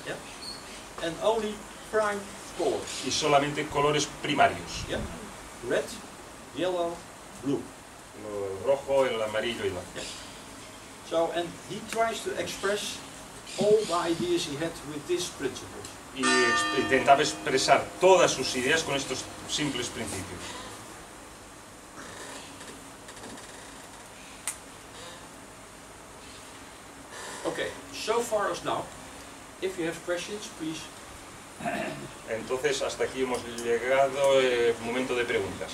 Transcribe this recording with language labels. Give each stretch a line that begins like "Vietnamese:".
English: Yeah. And only prime colors.
Spanish: Y solamente colores primarios.
English: Yeah. Red, yellow, blue.
Spanish: El rojo, el amarillo y el azul.
English: Yeah. So, and he tries to express all the ideas he had with these principles.
Spanish: Y intentaba expresar todas sus ideas con estos simples principios.
English: Okay, so far as now, if you have questions, please.
Spanish: Entonces, hasta aquí hemos llegado, momento de preguntas.